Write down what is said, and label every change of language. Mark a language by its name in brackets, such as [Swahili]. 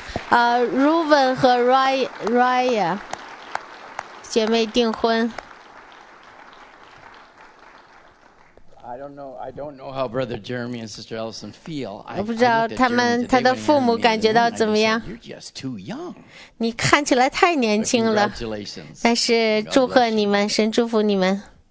[Chinese] Reuben 和 Raya 姐妹订婚。 [English] I don't know how Brother Jeremy and Sister Ellison feel. [Chinese] 我不知道他的父母感觉到怎么样。 [English] You're just too young. [Chinese] 你看起来太年轻了。 [English] Congratulations. [Chinese] 但是祝贺你们，神祝福你们。